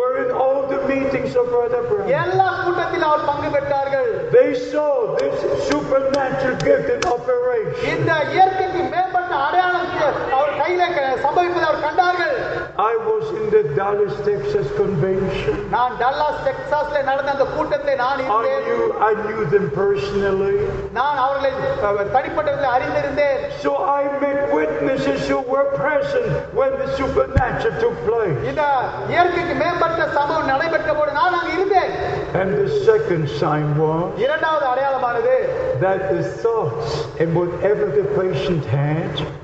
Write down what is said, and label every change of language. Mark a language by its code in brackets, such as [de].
[ta] எல்லா கூட்டத்தில் அவர் பங்கு பெற்றார்கள். [en] They saw this supernatural gift in operation. [ta] இந்த இயற்கைக்கு மேம்பட்ட அடையாளத்தை அவர் கையில சம்பவிப்பதை அவர் கண்டார்கள். [en] I was in the Dallas, Texas convention. [ta] நான் டல்லாஸ் டெக்சாஸ்ல நடந்த அந்த கூட்டத்தை நான் இருந்தேன். [en] I knew them personally. [ta] நான் அவர்களை தனிப்பட்டவர்களை அறிந்திருந்தேன். [en] So I met witnesses who were present when the supernatural took place. [ta] இந்த இயற்கைக்கு மேம்பட்ட சம்பவம் நடைபெற்ற போது நான் அங்கு இருந்தேன். [en] And the second sign was, [ta] இரண்டாவது அடையாளமானது, [en] that the thoughts in whatever the patient had,